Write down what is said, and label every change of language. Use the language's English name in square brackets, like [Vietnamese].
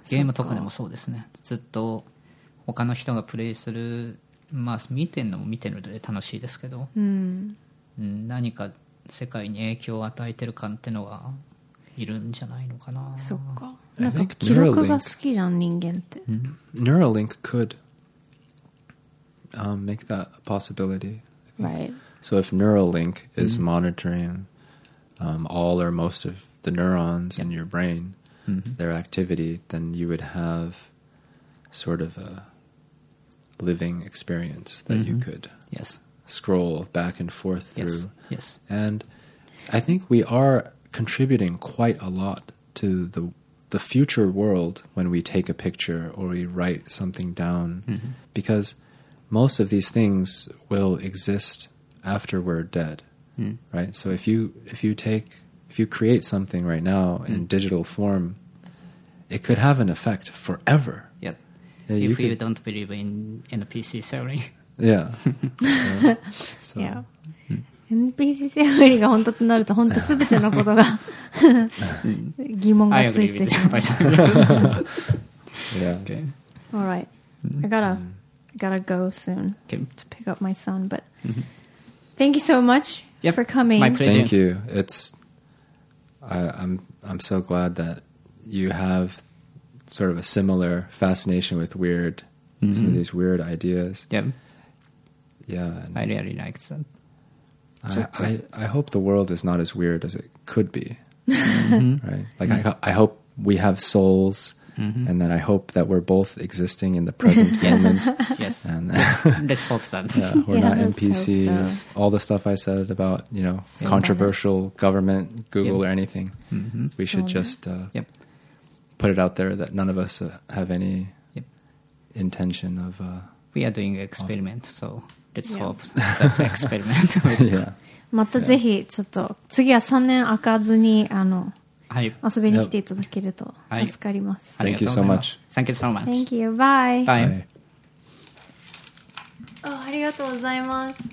[Japanese] ゲームとかでもそうですね。ずっと他の人がプレイする、まあ見てるのも見てるので楽しいですけど、何か世界に影響を与えてる感ってのはいるんじゃないのかな。そっか。なんか記録が好きじゃん人間って。 [English] Neuralink could. Make that a possibility, I think. Right? So if Neuralink is monitoring all or most of the neurons in your brain, their activity, then you would have sort of a living experience that you could scroll back and forth through. Yes. And I think we are contributing quite a lot to the future world when we take a picture or we write something down, because most of these things will exist after we're dead, right? So if you create something right now in digital form, it could have an effect forever. Yep. Yeah, if you don't believe in NPC theory. Yeah. So. Yeah. [Japanese] NPC theory が本当となると本当すべてのことが疑問がついてしまう。 [English] Yeah. Okay. All right. I gotta go soon to pick up my son, but thank you so much for coming. My pleasure. Thank you. I'm so glad that you have sort of a similar fascination with weird, some of these weird ideas. Yeah. I really like that. I hope the world is not as weird as it could be. right? Like, I hope we have souls, and then I hope that we're both existing in the present moment. Yes. And let's hope so. Yeah, we're not NPCs. So. All the stuff I said about, you know, same controversial method. Government, Google, or anything. Mm-hmm. We should just put it out there that none of us have any intention of... we are doing experiment, so let's hope that the experiment works. Yeah. [Japanese] またぜひちょっと次は3年空かずにあの遊びに来ていただけると助かります。 [English] Thank you so much. Thank you so much. Thank you. Bye. Bye. [Japanese] Oh, ありがとうございます。